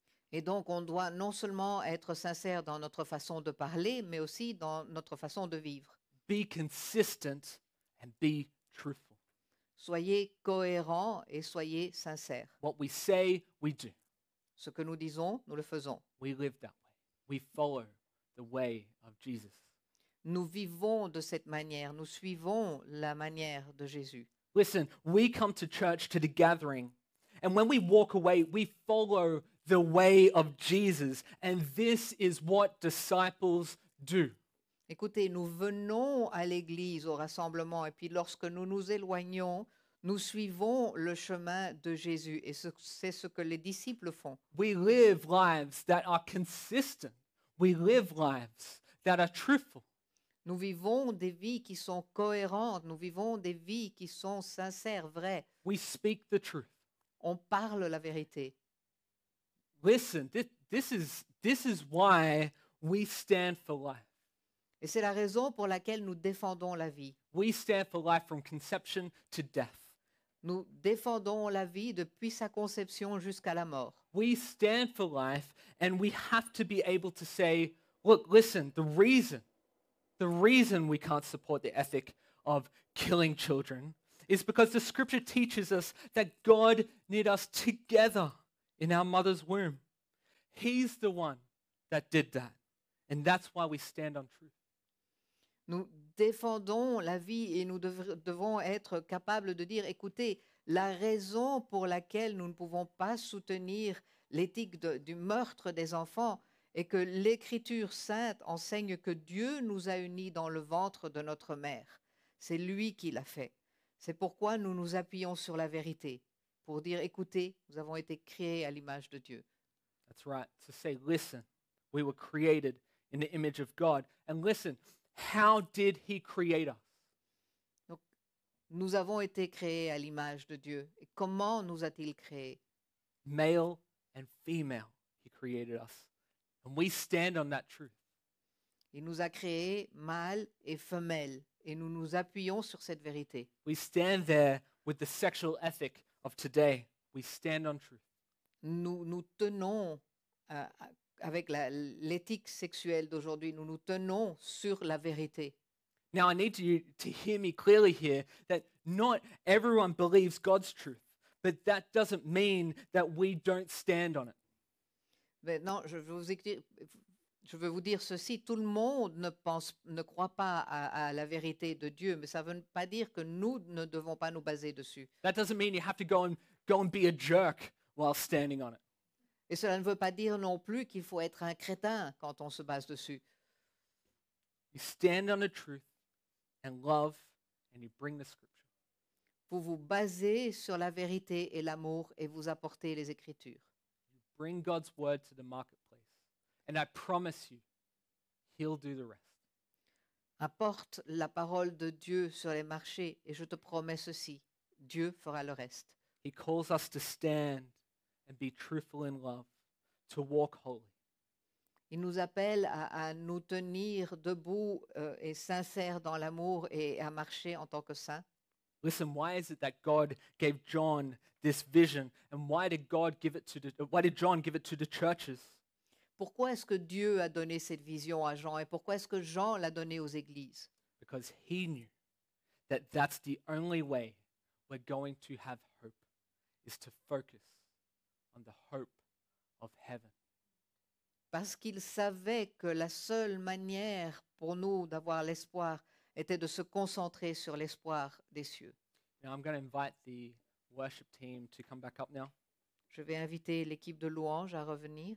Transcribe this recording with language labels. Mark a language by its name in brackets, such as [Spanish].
[French] Et donc, on doit non seulement être sincère dans notre façon de parler, mais aussi dans notre façon de vivre. [English] Be consistent and be truthful. [French] Soyez cohérent et soyez sincère. [English] What we say, we do. [French] Ce que nous disons, nous le faisons. [English] We live that way. We follow the way of Jesus. [French] Nous vivons de cette manière. Nous suivons la manière de Jésus. [English] Listen, we come to church, to the gathering, and when we walk away, we follow the way of Jesus, and this is what disciples do. [French] Écoutez, nous venons à l'église, au rassemblement, et puis lorsque nous nous éloignons, nous suivons le chemin de Jésus, et c'est ce que les disciples font. [English] We live lives that are consistent. We live lives that are truthful. [French] Nous vivons des vies qui sont cohérentes. Nous vivons des vies qui sont sincères, vraies. [English] We speak the truth. [French] On parle la vérité. [English] Listen, this is why we stand for life. [French] Et c'est la raison pour laquelle nous défendons la vie. [English] We stand for life from conception to death. [French] Nous défendons la vie depuis sa conception jusqu'à la mort. [English] We stand for life and we have to be able to say, look, listen, the reason we can't support the ethic of killing children is because the scripture teaches us that God knit us together in our mother's womb. He's the one that did that. And that's why we stand on truth. [French] Nous défendons la vie et nous devons être capables de dire, écoutez, la raison pour laquelle nous ne pouvons pas soutenir l'éthique du meurtre des enfants est que l'Écriture sainte enseigne que Dieu nous a unis dans le ventre de notre mère. C'est lui qui l'a fait. C'est pourquoi nous nous appuyons sur la vérité, pour dire, écoutez, nous avons été créés à l'image de Dieu. [English] That's right. To say, listen, we were created in the image of God. And listen, how did he create us? [French] Donc, nous avons été créés à l'image de Dieu. Et comment nous a-t-il créés? [English] Male and female, he created us. And we stand on that truth. [French] Il nous a créés mâle et femelle. Et nous nous appuyons sur cette vérité. [English] We stand there with the sexual ethic of today. We stand on truth. [French] Nous tenons avec l'éthique sexuelle d'aujourd'hui. Nous tenons sur la vérité. [English] Now I need you to hear me clearly here that not everyone believes God's truth, but that doesn't mean that we don't stand on it. [French] Mais non, je veux vous dire ceci, tout le monde ne croit pas à la vérité de Dieu, mais ça ne veut pas dire que nous ne devons pas nous baser dessus. [English] That doesn't mean you have to go and be a jerk while standing on it. [French] Et cela ne veut pas dire non plus qu'il faut être un crétin quand on se base dessus. [English] You stand on the truth and love and you bring the scripture. [French] Vous vous basez sur la vérité et l'amour et vous apportez les Écritures. [English] You bring God's word to the marketplace. And I promise you, he'll do the rest. [French] Apporte la parole de Dieu sur les marchés et je te promets ceci, Dieu fera le reste. [English] He calls us to stand and be truthful in love, to walk holy. [French] Il nous appelle à nous tenir debout et sincères dans l'amour et à marcher en tant que saints. [English] Listen, why is it that God gave John this vision and why did John give it to the churches? [French] Pourquoi est-ce que Dieu a donné cette vision à Jean et pourquoi est-ce que Jean l'a donné aux églises? [English] Because he knew that that's the only way we're going to have hope is to focus on the hope of heaven. [French] Parce qu'il savait que la seule manière pour nous d'avoir l'espoir était de se concentrer sur l'espoir des cieux. [English] Now I'm going to invite the worship team to come back up now. [French] Je vais inviter l'équipe de louange à revenir.